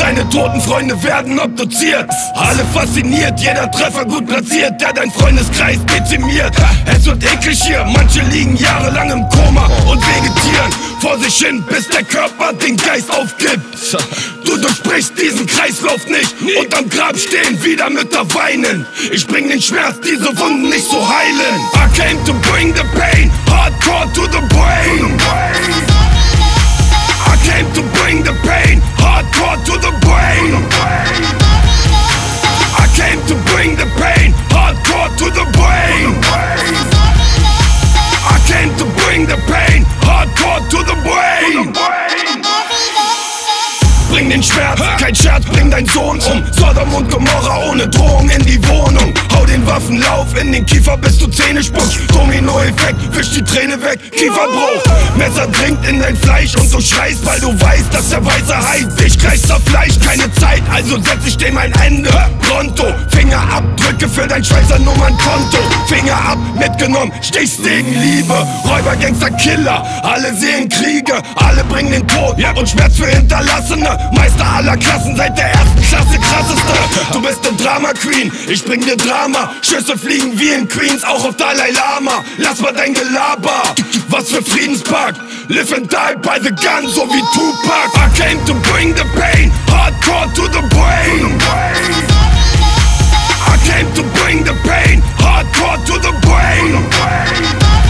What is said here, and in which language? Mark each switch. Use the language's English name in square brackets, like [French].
[German] Deine toten Freunde werden obduziert. Alle fasziniert, jeder Treffer gut platziert, der dein Freundeskreis dezimiert. Es wird eklig hier, manche liegen jahrelang im Koma und vegetieren vor sich hin, bis der Körper den Geist aufgibt. Du durchbrichst diesen Kreislauf nicht und am Grab stehen wieder Mütter weinen. Ich bring den Schmerz, diese Wunden nicht zu heilen. [English] I came to bring the pain, hardcore to the brain. I came to bring the pain, hardcore to the brain. I came to bring the pain, hardcore to the brain. I came to bring the pain, hardcore to the brain. [German] Bring den Schmerz, kein Scherz, bring dein Sohn um. Sodom und Gomorra ohne Drohung in die Wohnung. Hau den Waffenlauf in den Kiefer, bis du Zähne spuckst. Domino-Effekt, wisch die Träne weg, Kieferbruch. Messer dringt in dein Fleisch und du schreist, weil du weißt, dass der weiße Hai dich kreist auf Fleisch. Keine Zeit, also setz ich dem ein Ende. Pronto, Fingerabdrücke für dein Schweizer Nummernkonto. Finger ab, mitgenommen, stichst gegen Liebe. Räuber, Gangster, Killer, alle sehen Kriege. Alle bringen den Tod und Schmerz für Hinterlassene. Meister aller Klassen, seit der ersten Klasse krasseste. Du bist der Drama-Queen, ich bring dir Drama. Schüsse fliegen wie in Queens, auch auf Dalai Lama. Lass mal dein Gelaber, was für Friedenspakt. [English] Live and die by the gun, [German] so wie Tupac. [English] I came to bring the pain, hardcore to the brain. I came to bring the pain, hardcore to the brain.